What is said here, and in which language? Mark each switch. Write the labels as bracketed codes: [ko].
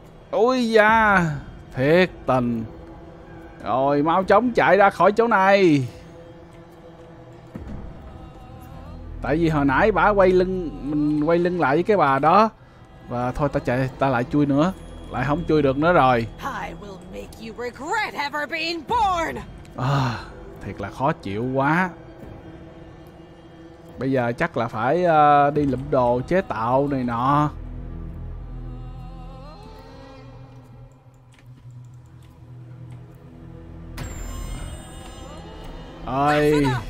[vi] Ôi da. Thiệt tình. Rồi, mau chóng chạy ra khỏi chỗ này. Tại vì hồi nãy bà quay lưng, mình quay lưng lại với cái bà đó. Và thôi ta chạy, ta lại chui nữa. Lại không chui được nữa rồi. [en] I will make you regret ever being born. [vi] Thiệt là khó chịu quá. Bây giờ chắc là phải đi lượm đồ chế tạo này nọ. Ôi.